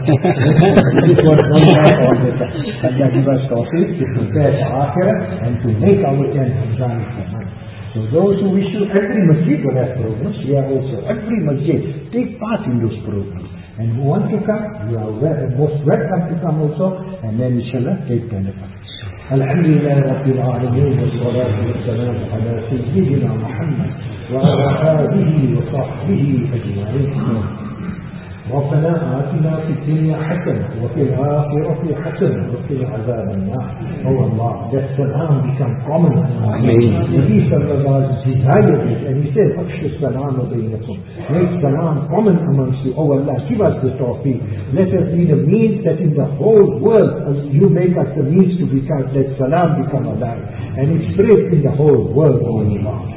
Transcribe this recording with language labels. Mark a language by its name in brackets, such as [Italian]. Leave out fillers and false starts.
[English] This was long life all the time. Allah give us tawfiq to prepare for akhirah and to make our end of Ramadan in the month. So those who wish to, every masjid will have programs. We are also, every masjid, take part in those programs. And who want to come, you are most welcome to come also, and then inshallah, take benefit. [Arabic] الحمد لله رب العالمين والصلاة والسلام على سيدنا محمد وعلى آله وصحبه أجمعين. ربنا آتنا في الدنيا حسنة وفي الآخرة حسنة وقنا عذاب النار. [English] Oh Allah, that salam become common. Nabi sallallahu alayhi wa sallam desired it and he said, [Arabic] "Akshu salam bainakum." [English] Make salam common amongst you. Oh Allah, give us the tawfiq. Let us be the means that in the whole world you make us the means to become, let salam become alive and it spread in the whole world, oh Allah.